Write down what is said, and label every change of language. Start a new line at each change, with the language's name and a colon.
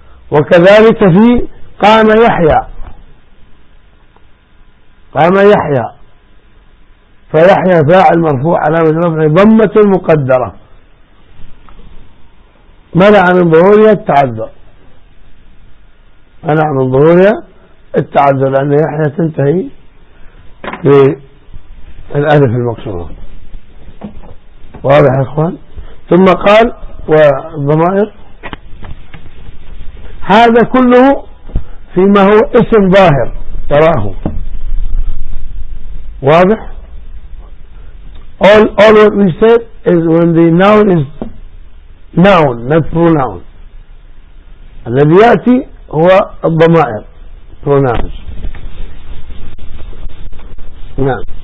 Arabic: وكذلك في قام يحيى، قام يحيى، فيحيى فاعل مرفوع علامة رفعه، ضمة مقدرة، منع من ظهورها التعذر، منع من ظهورها التعذر، لأن يحيى تنتهي بالألف المكسورة. واضح يا إخوان؟ ثم قال والضمائر، هذا كله فيما هو اسم ظاهر تراه، واضح.
English: All what we said is when the noun is noun, not pronoun.
Arabic: الذي يأتي هو الضمائر pronouns. نعم.